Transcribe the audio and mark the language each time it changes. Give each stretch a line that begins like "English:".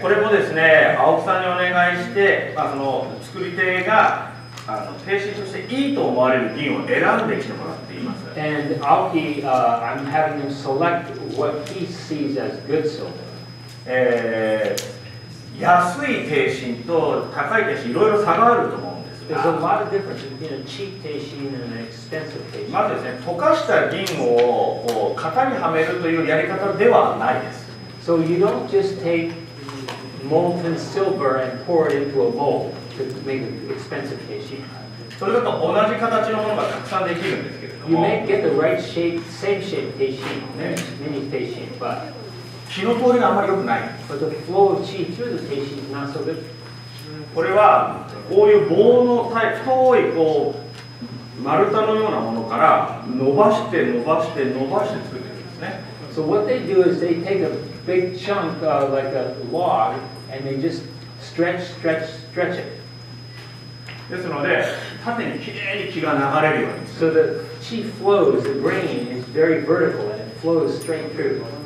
Japanese: これもですね、青木さんにお願いして、まあ、その作り手が teishin としていいと思われる銀を選んできてもらっています。
English: And Aoki, I'm having him select what he sees as good silver.
Japanese: 安い teishin と高い teishin、いろいろ差があると思う。
English: There's a lot of difference between a cheap teishin and an expensive teishin.
Japanese: まずですね、溶かした銀をこう型にはめるというやり方ではないです。
English: So you don't just take molten silver and pour it into a bowl to make an expensive teishin.
Japanese: それだと同じ形のものがたくさんできるんですけれども。
English: You may get the right shape, same shape teishin, many teishin, but
Japanese: 気の通りがあんまり良くない。
English: But the flow of chi through the teishin is not so good.
Japanese: これはこういう棒の太いこう丸太のようなものから伸ばして伸ばして伸ばして作っているんですね。
English: So So what they do is they take a big chunk, like a log, and they just stretch, stretch, stretch it.
Japanese: ですので、縦にきれいに気が流れるように。
English: So the chi flows, the brain is very vertical and it flows straight through.